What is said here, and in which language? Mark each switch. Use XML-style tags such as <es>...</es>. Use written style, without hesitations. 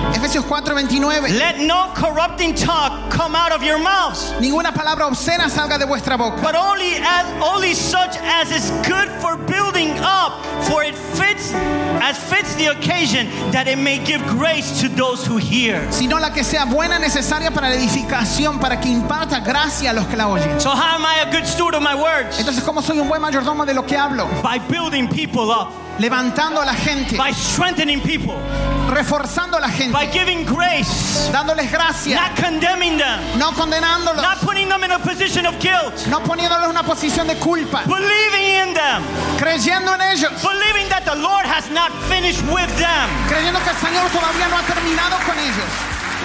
<es>Efesios 4:29.</es> <en>Let no corrupting talk come out of your mouths.</en> <es>Ninguna palabra obscena salga de vuestra boca.</es> <en>But only as only such as is good for building up, for it fits as fits the occasion, that it may give grace to those who hear.</en> <es>Sino la que sea buena, necesaria para la edificación, para que imparta gracia a los que la oyen.</es> <en>So how am I a good steward of my words?</en> <es>Entonces, ¿cómo soy un buen mayordomo de lo que hablo?</es> <en>By building people up.</en> <es>Levantando a la gente.</es> <en>By strengthening people.</en> <es>Reforzando a la gente.</es> <en>By giving grace.</en> <es>Dándoles gracia.</es> <en>Not condemning them.</en> <es>No condenándolos.</es> <en>Not putting them in a position of guilt.</en> <es>No poniéndolos en una posición de culpa.</es> <en>Believing in them.</en> <es>Creyendo en ellos.</es> <en>Believing that the Lord has not finished with them.</en> <es>Creyendo que el Señor todavía no ha terminado con ellos.</es>